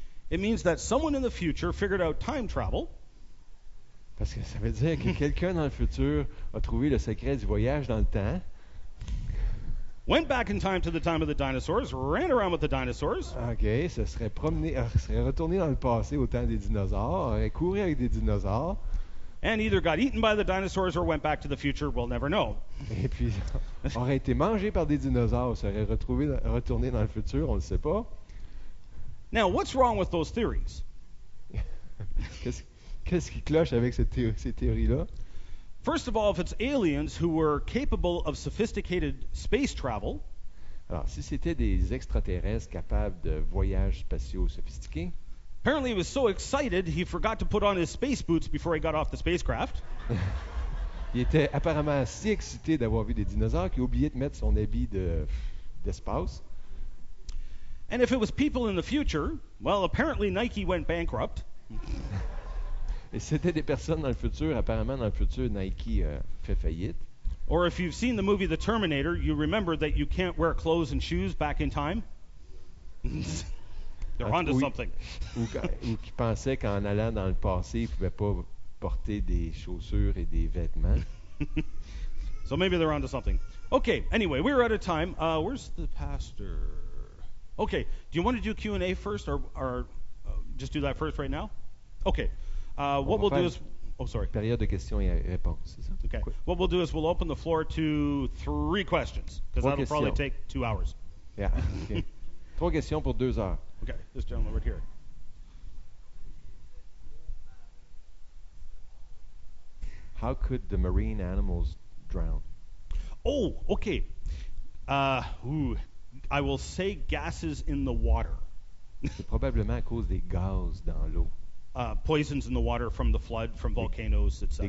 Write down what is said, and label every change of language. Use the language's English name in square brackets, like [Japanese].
[English] It means that someone in the future figured out time travel. [French] Parce que ça veut dire que quelqu'un dans le futur a trouvé le secret du voyage dans le temps. [English] Went back in time to the time of the dinosaurs, ran around with the dinosaurs. [French] OK, ça serait promené, serait retourné dans le passé au temps des dinosaures, aurait couru avec des dinosaures. [English] And either got eaten by the dinosaurs or went back to the future, we'll never know. [French] Et puis, aurait été mangé par des dinosaures, serait retourné dans le futur, on ne sait pas. [English] Now, what's wrong with those theories? [French] Qu'est-ce qui cloche avec ces théories-là? [English] First of all, if it's aliens who were capable of sophisticated space travel, [French] alors, si c'était des extraterrestres capables de voyages spatiaux sophistiqués, [English] apparently he was so excited he forgot to put on his space boots before he got off the spacecraft. [French] Il était apparemment si excité d'avoir vu des dinosaures qu'il a oublié de mettre son habit d'espace. [English] And if it was people in the future, well, apparently Nike went bankrupt. [French] Et c'était des personnes dans le futur, apparemment dans le futur, Nike fait faillite. [English] Or if you've seen the movie The Terminator, you remember that you can't wear clothes and shoes back in time. They're onto something. [French] ou qui pensaient qu'en allant dans le passé, ils ne pouvaient pas porter des chaussures et des vêtements. [English] So maybe they're onto something. Okay, anyway, we're out of time. Where's the pastor? Okay, do you want to do Q&A first or just do that first right now? Okay, what we'll do is... Oh, sorry. [French] Période de questions et réponses, c'est ça? [English] Okay. What we'll do is we'll open the floor to three questions, because that'll questions. Probably take 2 hours. [French] Yeah, okay. Trois questions pour 2 heures. [English] Okay, this gentleman right here. How could the marine animals drown? Oh, okay. I will say gases in the water. [French] C'est probablement à cause des gaz dans l'eau. [English] Poisons in the water from the flood, from volcanoes, etc.